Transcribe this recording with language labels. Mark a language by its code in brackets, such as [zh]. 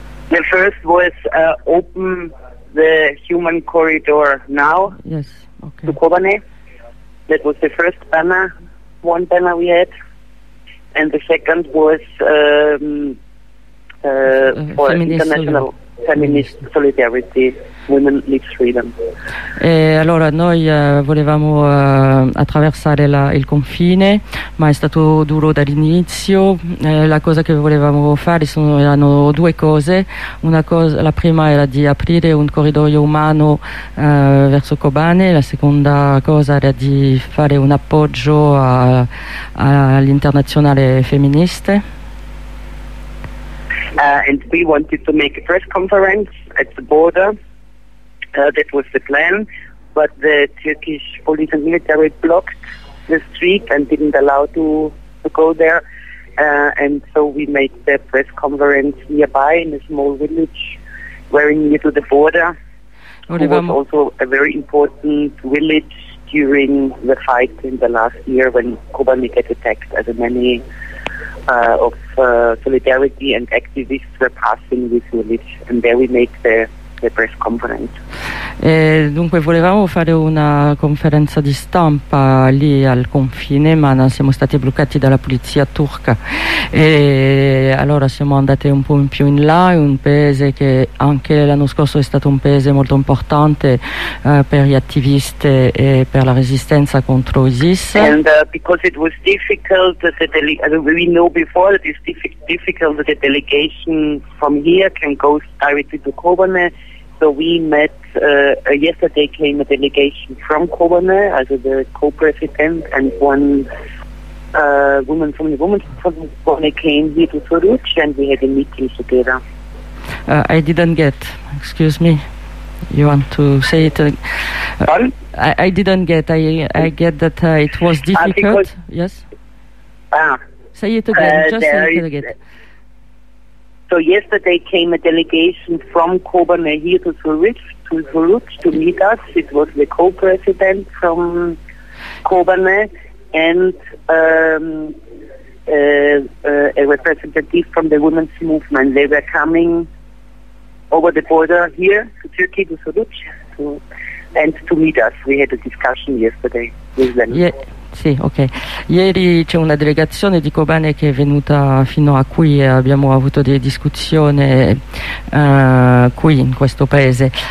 [en] The first was open the human corridor now. Yes. Okay. To Kobane. That was the first banner, one banner we had, and the second was for international. Feminist Solidarity, Women Lead Freedom. [it] E allora noi volevamo attraversare il confine, ma è stato duro dall'inizio. La cosa che volevamo fare erano due cose. La prima era di aprire un corridoio umano verso Kobane, la seconda cosa era di fare un appoggio all'internazionale femministe. [en] And we wanted to make a press conference at the border. That was the plan, but the Turkish police and military blocked the street and didn't allow to go there. And so we made the press conference nearby in a small village, very near to the border. It was also a very important village during the fight in the last year when Kobani got attacked, as many solidarity and activists were passing this village, and there we made the press conference. [it] E dunque volevamo fare una conferenza di stampa lì al confine, ma siamo stati bloccati dalla polizia turca e allora siamo andati un po' in più in là, un paese che anche l'anno scorso è stato un paese molto importante per gli attivisti e per la resistenza contro ISIS. [en] And because it was difficult, we know before that it's difficult that a delegation from here can go directly to Kobane. So we met, yesterday came a delegation from Kobane, as the co-president, and one woman from the Women's Forum Kobane came here to Suruç, and we had a meeting together. I didn't get, excuse me, you want to say it? Pardon? I didn't get, I get that it was difficult, yes? Say it again, So yesterday came a delegation from Kobane here to Zurich to meet us. It was the co-president from Kobane and a representative from the women's movement. They were coming over the border here to Turkey to Zurich to meet us. We had a discussion yesterday with them. [it] Yeah. Sì, ok. Ieri c'è una delegazione di Kobane che è venuta fino a qui e abbiamo avuto delle discussioni qui in questo paese.